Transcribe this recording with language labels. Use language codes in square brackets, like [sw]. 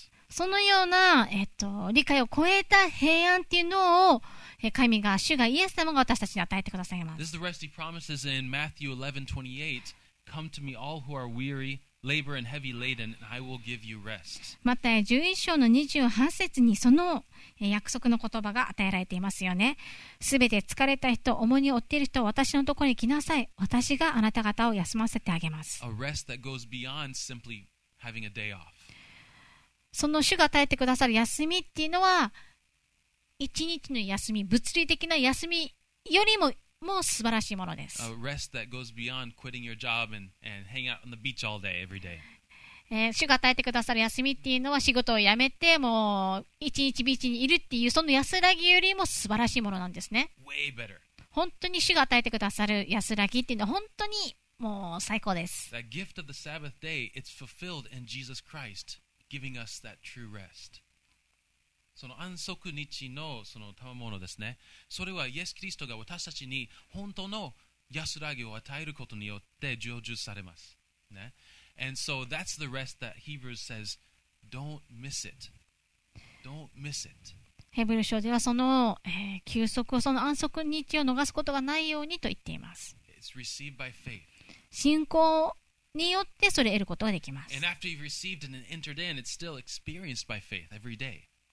[ja] そのような、理解を超えた平安というのを神が、主がイエス様が私たちに与えてくださいます。 [en] This is the rest he promises in Matthew 11:28. Come to me all who are weary. Labor and heavy laden, and I will give you rest. [ja] マタイ11章の28節にその約束の言葉が与えられていますよね。すべて疲れた人、重荷を負っている人、私のところに来なさい。私があなた方を休ませてあげます。 [en] A rest that goes beyond simply having a day off. [ja] その主が与えてくださる休みっていうのは、一日の休み、物理的な休みよりももう素晴らしいものです。 [en] A rest that goes beyond quitting your job and hang out on the beach all day, every day. [ja] 主が与えてくださる休みっていうのは、仕事を辞めてもう一日ビーチにいるっていう、その安らぎよりも素晴らしいものなんですね。 [en] Way better. [ja] 本当に主が与えてくださる安らぎっていうのは本当にもう最高です。 [en] That gift of the Sabbath day, it's fulfilled in Jesus Christ giving us that true rest. [ja] その安息日のその賜物ですね。それはイエス・キリストが私たちに本当の安らぎを与えることによって成就されます。ね。 [en] And so that's the rest that Hebrews says, don't miss it. Don't miss it. [ja] ヘブル書ではその、休息を、その安息日を逃すことがないようにと言っています。 [en] It's received by faith. [ja] 信仰によってそれを得ることができます。 [en] And after you've received and entered in, it's still experienced by faith every day.